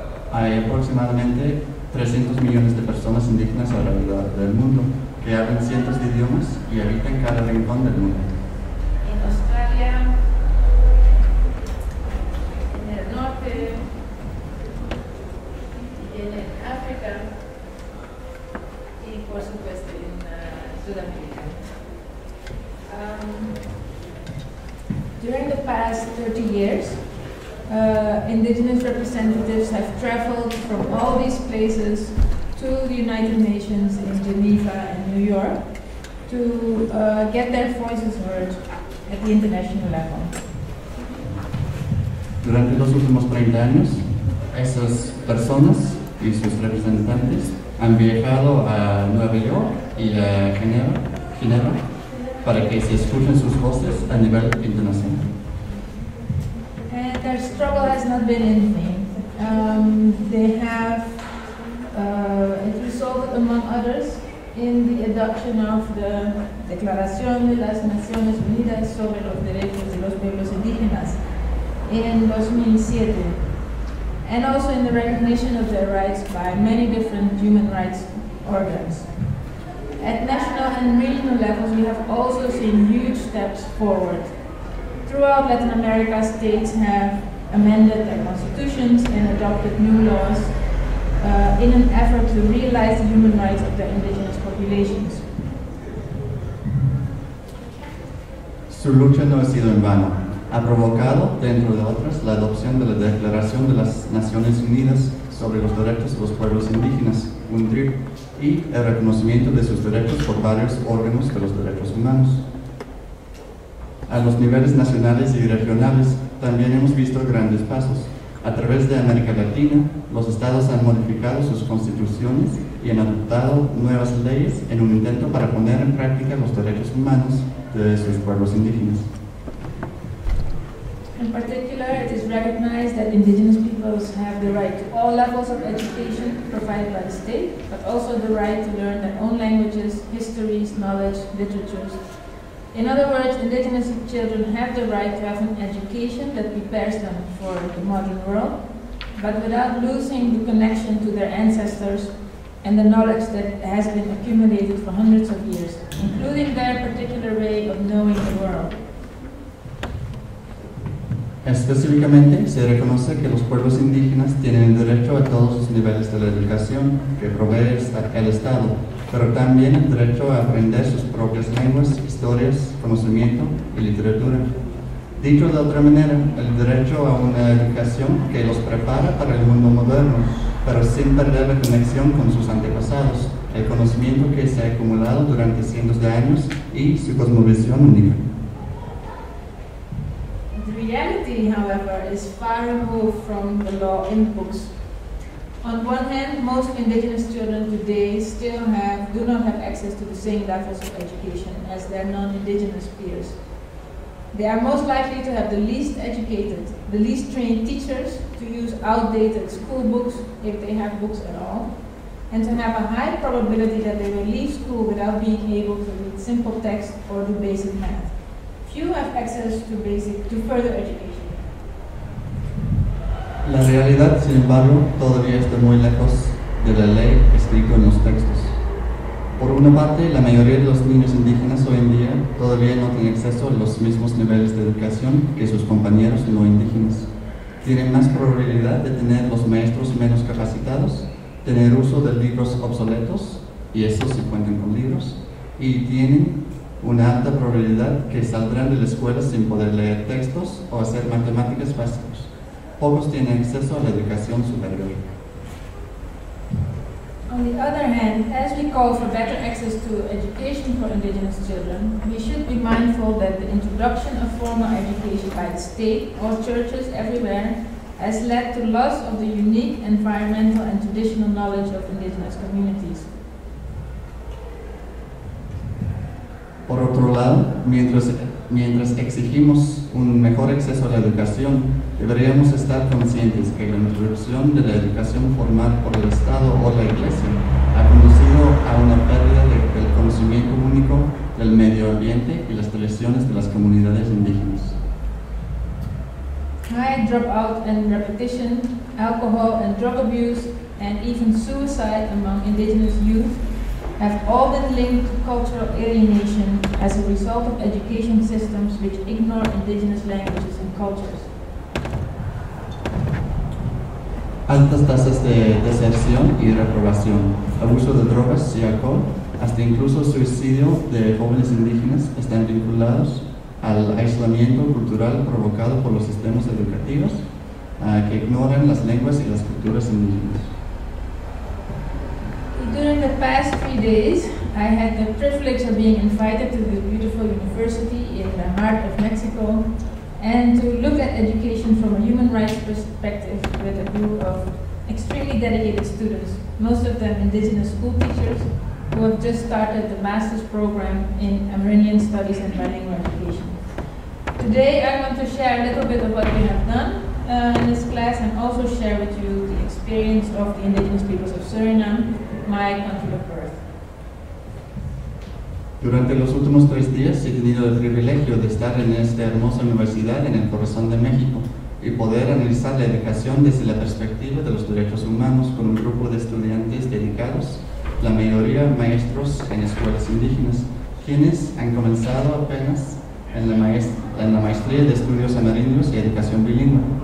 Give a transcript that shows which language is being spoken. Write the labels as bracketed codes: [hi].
[es] Hay aproximadamente 300 millones de personas indígenas alrededor del mundo que hablan cientos de idiomas y habitan cada rincón del mundo. En Australia, en el norte, y en África, y por supuesto en Sudamérica. [en] During the past 30 years, indigenous representatives have traveled from all these places to the United Nations in Geneva and New York to get their voices heard at the international level. [es] Durante los últimos 30 años, esas personas y sus representantes han viajado a Nueva York y a Ginebra para que se escuchen sus voces a nivel internacional. [en] Their struggle has not been in vain. They have it resulted, among others, in the adoption of the Declaración de las Naciones Unidas sobre los Derechos de los Pueblos Indígenas in 2007, and also in the recognition of their rights by many different human rights organs. At national and regional levels, we have also seen huge steps forward. Throughout Latin America, states have amended their constitutions and adopted new laws in an effort to realize the human rights of their indigenous populations. [es] Su lucha no ha sido en vano. Ha provocado, dentro de otras, la adopción de la Declaración de las Naciones Unidas sobre los Derechos de los Pueblos Indígenas, UNDRIP, y el reconocimiento de sus derechos por varios órganos de los derechos humanos. A los niveles nacionales y regionales, también hemos visto grandes pasos. A través de América Latina, los estados han modificado sus constituciones y han adoptado nuevas leyes en un intento para poner en práctica los derechos humanos de sus pueblos indígenas. [en] In particular, it is recognized that indigenous peoples have the right to all levels of education provided by the state, but also the right to learn their own languages, histories, knowledge, literatures. In other words, indigenous children have the right to have an education that prepares them for the modern world, but without losing the connection to their ancestors and the knowledge that has been accumulated for hundreds of years, including their particular way of knowing the world. [es] Específicamente, se reconoce que los pueblos indígenas tienen el derecho a todos los niveles de la educación que provee el Estado, pero también el derecho a aprender sus propias lenguas, historias, conocimiento y literatura. Dicho de otra manera, el derecho a una educación que los prepara para el mundo moderno, pero sin perder la conexión con sus antepasados, el conocimiento que se ha acumulado durante cientos de años y su cosmovisión única. [en] Reality, however, is far removed from the law in books. On one hand, most indigenous children today still do not have access to the same levels of education as their non-indigenous peers. They are most likely to have the least educated, the least trained teachers, to use outdated school books, if they have books at all, and to have a high probability that they will leave school without being able to read simple text or do basic math. Few have access to further education. [es] La realidad, sin embargo, todavía está muy lejos de la ley escrita en los textos. Por una parte, la mayoría de los niños indígenas hoy en día todavía no tienen acceso a los mismos niveles de educación que sus compañeros no indígenas. Tienen más probabilidad de tener los maestros menos capacitados, tener uso de libros obsoletos, y eso si cuentan con libros, y tienen una alta probabilidad que saldrán de la escuela sin poder leer textos o hacer matemáticas básicas. Pocos tienen acceso a la educación superior. [en] On the other hand, as we call for better access to education for indigenous children, we should be mindful that the introduction of formal education by the state or churches everywhere has led to loss of the unique environmental and traditional knowledge of indigenous communities. [es] Por otro lado, mientras exigimos un mejor acceso a la educación, deberíamos estar conscientes que la interrupción de la educación formal por el Estado o la Iglesia ha conducido a una pérdida del conocimiento único del medio ambiente y las tradiciones de las comunidades indígenas. [en] High dropout and repetition, alcohol and drug abuse, and even suicide among indigenous youth have all been linked to cultural alienation as a result of education systems which ignore indigenous languages and cultures. [es] Altas tasas de deserción y reprobación, abuso de drogas y alcohol, hasta incluso suicidio de jóvenes indígenas están vinculados al aislamiento cultural provocado por los sistemas educativos que ignoran las lenguas y las culturas indígenas. [en] During the past 3 days, I had the privilege of being invited to this beautiful university in the heart of Mexico and to look at education from a human rights perspective with a group of extremely dedicated students, most of them indigenous school teachers who have just started the master's program in Amerindian Studies and Bilingual Education. Today, I want to share a little bit of what we have done in this class and also share with you the experience of the indigenous peoples of Suriname, my country of birth. [es] Durante los últimos 3 días, he tenido el privilegio de estar en esta hermosa universidad en el corazón de México y poder analizar la educación desde la perspectiva de los derechos humanos con un grupo de estudiantes dedicados, la mayoría maestros en escuelas indígenas, quienes han comenzado apenas en la maestría de estudios amerindios y educación bilingüe.